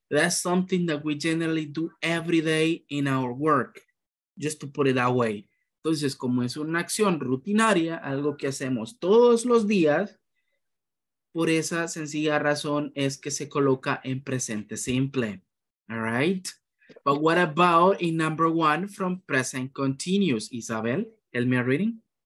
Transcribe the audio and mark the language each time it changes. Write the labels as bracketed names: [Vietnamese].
[English] That's something that we generally do every day in our work, just to put it that way. [Spanish] Entonces, como es una acción rutinaria, algo que hacemos todos los días, por esa sencilla razón es que se coloca en presente simple. [English] All right? But what about in number one from present continuous? Isabel, help me reading.